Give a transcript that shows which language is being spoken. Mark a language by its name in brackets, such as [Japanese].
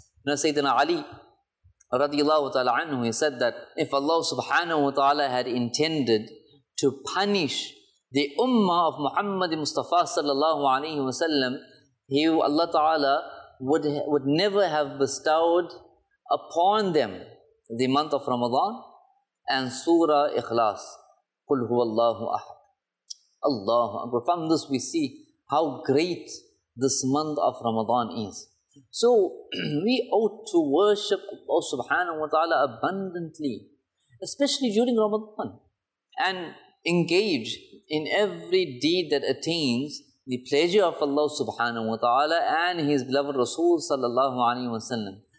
[English] Now Sayyidina Ali radiallahu ta'ala anhu, he said that if Allah subhanahu wa ta'ala had intended to punish the ummah of Muhammad Mustafa sallallahu alayhi wa sallam, he, Allah ta'ala, would never have bestowed upon them the month of Ramadan and Surah Ikhlas. [Arabic] قُلْ هُوَ اللَّهُ أَحَدْ Allahu Akbar. [English] From this we see how great this month of Ramadan is. So we ought to worship Allah subhanahu wa ta'ala abundantly, especially during Ramadan, and engage in every deed that attains the pleasure of Allah subhanahu wa ta'ala and His beloved Rasul sallallahu alayhi wa sallam.